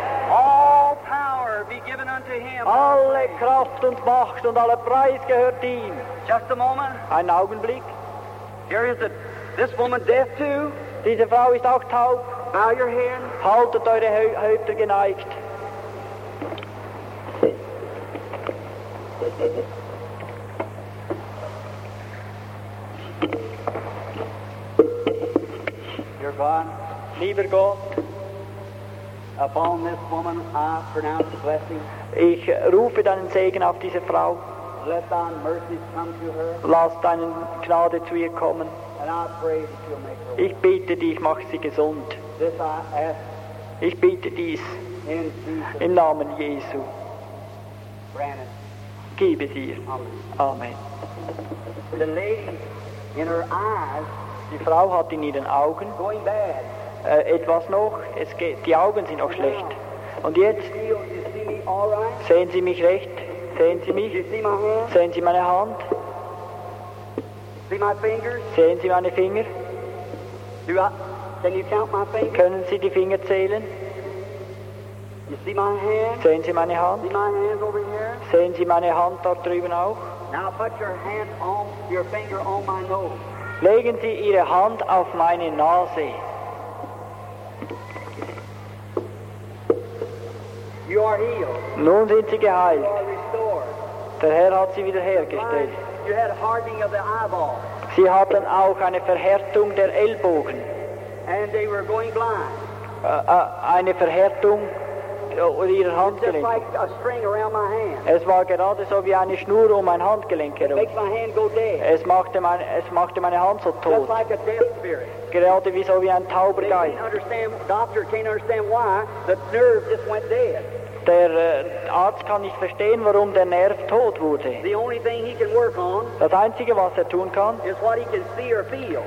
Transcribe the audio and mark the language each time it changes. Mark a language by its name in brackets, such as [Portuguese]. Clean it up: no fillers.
[English] All power be given unto him. [German] Alle Kraft und Macht und alle Preis gehört ihm. [English] Just a moment. [German] Ein Augenblick. [English] Here is it. This woman deaf too. [German] Diese Frau ist auch taub. [English] Bow your hand. [German] Haltet eure Häupter geneigt. [English] Dear God, [German] lieber Gott, [English] upon this woman I pronounce blessing. [German] Ich rufe deinen Segen auf diese Frau. [English] Let thine mercy come to her. [German] Lass deine Gnade zu ihr kommen. [English] And I pray that you'll make her well. [German] Ich bitte dich, mach sie gesund. [English] This I ask. [German] Ich bitte dies im Namen Jesu. [English] Brandon. [German] Gib es ihr. [English] Amen. [German] Amen. [English] The lady in her eyes, [German] die Frau hat in ihren Augen [English] going bad. [German] Etwas noch. Es geht, die Augen sind noch schlecht. Und jetzt [English] you see me all right? [German] Sehen Sie mich recht? Sehen Sie mich? Sehen Sie meine Hand? Sehen Sie meine Finger? [English] Can you count my fingers? [German] Können Sie die Finger zählen? [English] You see my hand? [German] Sehen Sie meine Hand? [English] See my hand over here? [German] Sehen Sie meine Hand dort drüben auch? [English] Now put your hand on, your finger on my nose. [German] Legen Sie Ihre Hand auf meine Nase. [English] You are healed. [German] Nun sind Sie geheilt. [English] You are restored. [German] Der Herr hat Sie wiederhergestellt. [English] Right. You had a hardening of the eyeball. [German] Sie hatten auch eine Verhärtung der Ellbogen. [English] And they were going blind. [German] Eine Verhärtung ihrer Handgelenke. [English] Just like a string around my hand. [German] Es war gerade so wie eine Schnur um mein Handgelenk herum. [English] It makes my hand go dead. [German] Es machte meine Hand so tot. [English] Just like a deaf spirit. [German] Gerade wie so wie ein tauber Geist. [English] They can't understand, doctor can't understand why the nerve just went dead. [German] Der Arzt kann nicht verstehen, warum der Nerv tot wurde. [English] The only thing he can work on, [German] das Einzige, was er tun kann, [English] is what he can see or feel.